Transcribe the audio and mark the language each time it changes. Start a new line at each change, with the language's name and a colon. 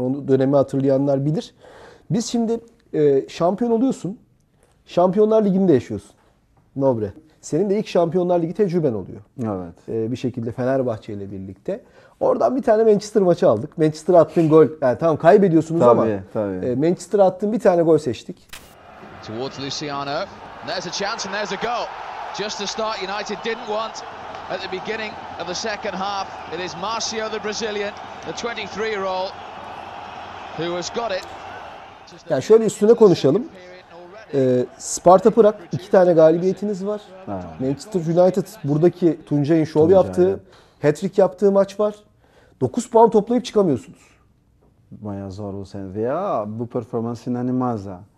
Turkish: Onu dönemi hatırlayanlar bilir. Biz şimdi şampiyon oluyorsun. Şampiyonlar Ligi'nde yaşıyorsun. Nobre. Senin de ilk Şampiyonlar Ligi tecrüben oluyor. Evet. Bir şekilde Fenerbahçe ile birlikte. Oradan bir tane Manchester maçı aldık. Manchester attığın gol. Yani tamam kaybediyorsunuz tabii, ama. Tabii tabii. Manchester attığın bir tane gol seçtik.
English: Towards Luciano, there's a chance and there's a goal. Just the start United didn't want at the beginning of the second half. It is Marcio the Brazilian, the 23-year-old who has got it.
Turkish: Yani şöyle üstüne konuşalım. Sparta Prag iki tane galibiyetiniz var. Manchester United buradaki Tuncay'ın şov yaptığı, hat-trick yaptığı maç var. 9 puan toplayıp çıkamıyorsunuz. Bayağı zor bu sen. Veya bu performans inanılmaz ha.